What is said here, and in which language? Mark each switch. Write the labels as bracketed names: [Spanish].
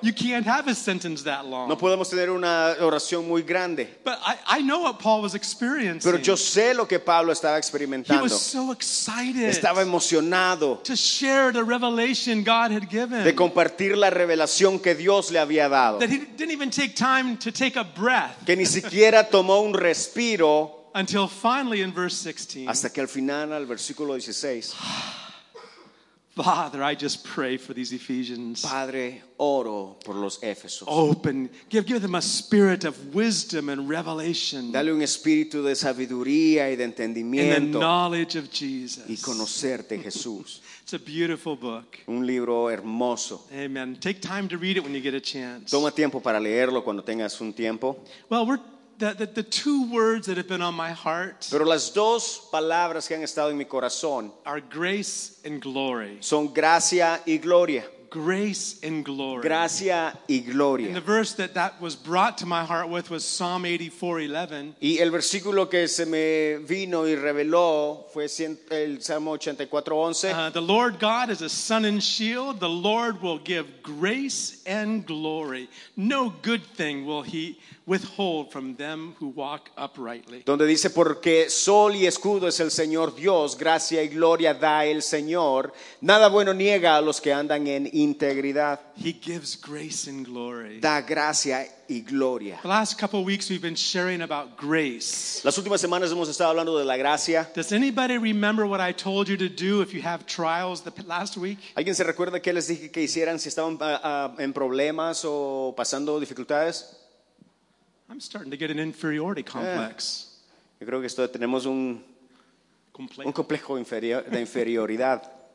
[English] You can't have a sentence that long. [Spanish] No podemos tener una oración muy grande. [English] But I know what Paul was experiencing. [Spanish] Pero yo sé lo que Pablo estaba experimentando. [English] He was so excited. [Spanish] Estaba emocionado. [English] To share the revelation God had given. [Spanish] De compartir la revelación que Dios le había dado. [English] That he didn't even take time to take a breath. [Spanish] Que ni siquiera tomó un respiro. [English] Until finally in verse 16. [Spanish] Hasta que al final, al versículo 16. [English] Father, I just pray for these Ephesians. [Spanish] Padre, oro por los Éfesos. [English] Open, give them a spirit of wisdom and revelation. [Spanish] Dale un espíritu de sabiduría y de entendimiento. [English] In the knowledge of Jesus. [Spanish] Y conocerte, Jesús. [English] It's a beautiful book. [Spanish] Un libro hermoso. [English] Amen. Take time to read it when you get a chance. [Spanish] Toma tiempo para leerlo cuando tengas un tiempo. [English] Well, we're the two words that have been on my heart. [Spanish] Pero las dos palabras que han estado en mi corazón [English] are grace and glory. [Spanish] Son gracia y gloria. [English] Grace and glory. [Spanish] Gracia y gloria. [English] And the verse that was brought to my heart with was Psalm 84:11. [Spanish] Y el versículo que se me vino y reveló fue el Salmo 84:11. [English] The Lord God is a sun and shield. The Lord will give grace and glory. No good thing will he withhold from them who walk uprightly. [Spanish] Donde dice, porque sol y escudo es el Señor Dios, gracia y gloria da el Señor. Nada bueno niega a los que andan en integridad. [English] He gives grace and glory. [Spanish] Da gracia y gloria. [English] The last couple of weeks we've been sharing about grace. [Spanish] Las últimas semanas hemos estado hablando de la gracia. [English] Does anybody remember what I told you to do if you have trials the last week? [Spanish] ¿Alguien se recuerda qué les dije que hicieran si estaban en problemas o pasando dificultades? [English] I'm starting to get an inferiority complex. [Spanish] Yo creo que esto tenemos un complejo de inferioridad.